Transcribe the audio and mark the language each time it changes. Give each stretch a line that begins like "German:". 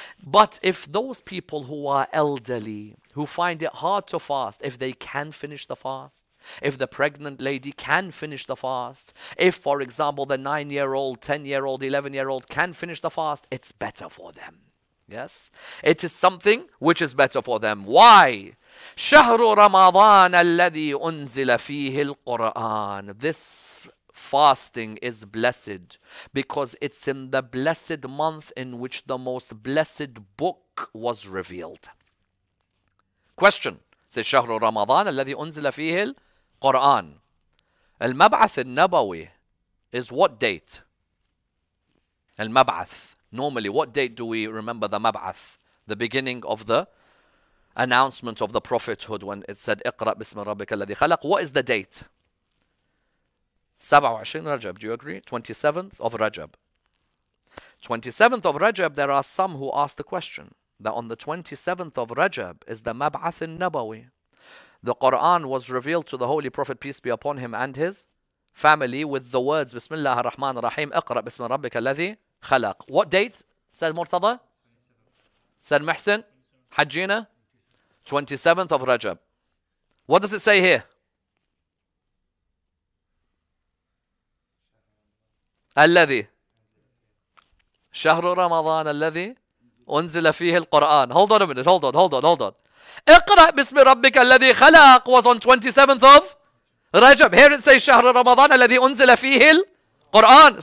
English: But if those people who are elderly, who find it hard to fast, if they can finish the fast, if the pregnant lady can finish the fast, if, for example, the 9-year-old, 10-year-old, 11-year-old can finish the fast, it's better for them. Yes, it is something which is better for them. Why?
Arabic: شهر رمضان الذي أنزل فيه القرآن.
English: This fasting is blessed because it's in the blessed month in which the most blessed book was revealed. Question. Say
Arabic: شهر رمضان الذي أنزل فيه القرآن. المبعث النبوي
English: is what date?
Arabic: المبعث.
English: Normally, what date do we remember the Mab'ath? The beginning of the announcement of the prophethood when it said,
Arabic: اقرأ بسم ربك الذي خلق.
English: What is the date? 27 Rajab, do you agree? 27th of Rajab. 27th of Rajab, there are some who ask the question that on the 27th of Rajab is the Mab'ath al-Nabawi. The Quran was revealed to the Holy Prophet, peace be upon him and his family, with the words, Bismillah ar-Rahman ar-Rahim,
Arabic: اقرأ بسم ربك الذي خلق.
English: What date? Said Murtada? Said Mahsin? Hajjina? 27th of Rajab. What does it say here?
Arabic: الذي شهر رمضان الذي أنزل فيه القرآن.
English: Hold on a minute. Hold on.
Arabic: اقرأ باسم ربك الذي خلق
English: was on 27th of Rajab. Here it says
Arabic: شهر رمضان الذي أنزل فيه القرآن.